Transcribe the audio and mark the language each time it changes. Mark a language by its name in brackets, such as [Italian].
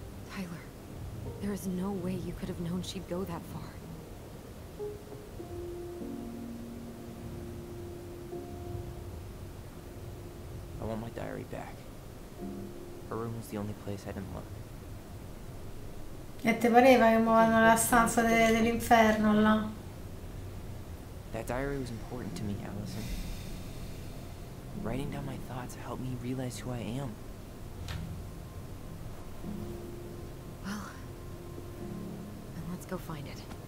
[English] Tyler, there is no way you could have known she'd go that far. Diary back. Her room was the only place I didn't look. [Italian] E te pareva che muovano la stanza dell'inferno là? [English] That diary was important to me, Allison. Writing down my thoughts helped me realize who I am. Well, then let's go find it.